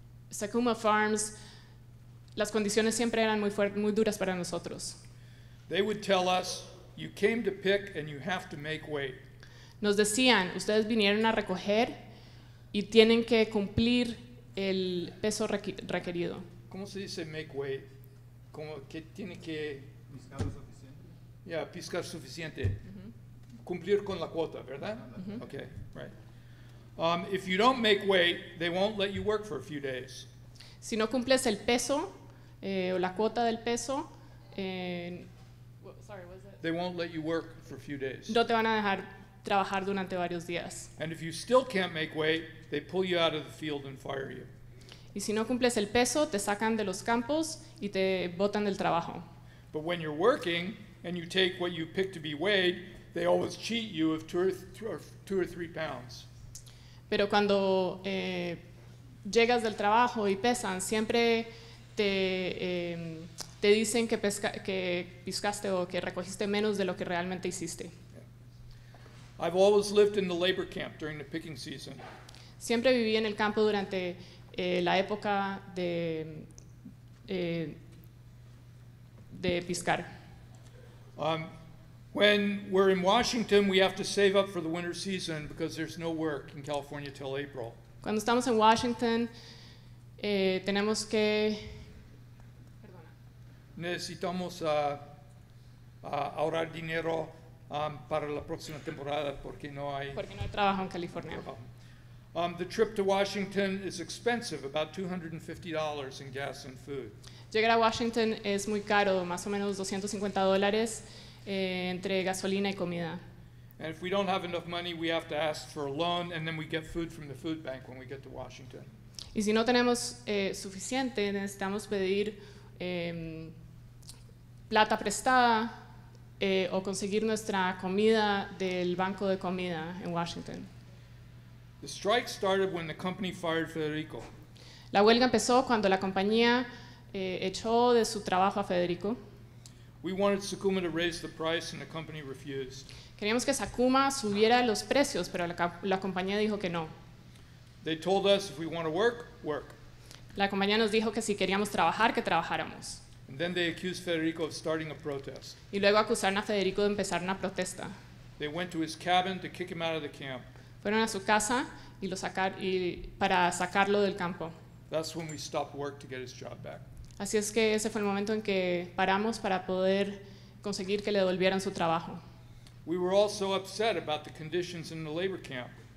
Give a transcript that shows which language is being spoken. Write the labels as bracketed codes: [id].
[es] Sukuma Farms, las condiciones siempre eran muy duras para nosotros. [en] They would tell us, you came to pick and you have to make weight. [es] Nos decían, ustedes vinieron a recoger y tienen que cumplir el peso requerido. ¿Cómo se dice [en] make weight? [es] ¿Cómo que tiene que piscar suficiente? Yeah, piscar suficiente. Mm-hmm. Cumplir con la cuota, ¿verdad? Mm-hmm. [en] Okay, right. If you don't make weight, they won't let you work for a few days. [es] Si no cumples el peso o la cuota del peso, [en] they won't let you work for a few days. [es] No te van a dejar trabajar durante varios días. [en] And if you still can't make weight, they pull you out of the field and fire you. [es] Y si no cumples el peso, te sacan de los campos y te botan del trabajo. [en] But when you're working and you take what you pick to be weighed, they always cheat you of two or three pounds. [es] Pero cuando llegas del trabajo y pesan, siempre te te dicen que piscaste o que recogiste menos de lo que realmente hiciste. [en] Yeah. I've always lived in the labor camp during the picking season. [es] Siempre viví en el campo durante la época de piscar. [en] When we're in Washington, we have to save up for the winter season because there's no work in California till April. [es] Cuando estamos en Washington, tenemos que necesitamos ahorrar dinero para la próxima temporada porque no hay trabajo en California. [en] The trip to Washington is expensive, about $250 in gas and food. [es] Llegar a Washington es muy caro, más o menos $250 entre gasolina y comida. [en] And if we don't have enough money, we have to ask for a loan, and then we get food from the food bank when we get to Washington. [es] Y si no tenemos suficiente, necesitamos pedir plata prestada o conseguir nuestra comida del banco de comida en Washington. [en] The strike started when the company fired Federico. [es] La huelga empezó cuando la compañía echó de su trabajo a Federico. [en] We wanted Sukuma to raise the price and the company refused. [es] Queríamos que Sukuma subiera los precios, pero la compañía dijo que no. [en] They told us if we want to work, work. [es] La compañía nos dijo que si queríamos trabajar, que trabajáramos. [en] And then they accused Federico of starting a protest. [es] Y luego acusaron a Federico de empezar una protesta. [en] They went to his cabin to kick him out of the camp. [es] Fueron a su casa y para sacarlo del campo. [en] That's when we stopped work to get his job back. [es] Así es que ese fue el momento en que paramos para poder conseguir que le devolvieran su trabajo. [en] We were all so upset about the conditions in the labor camp.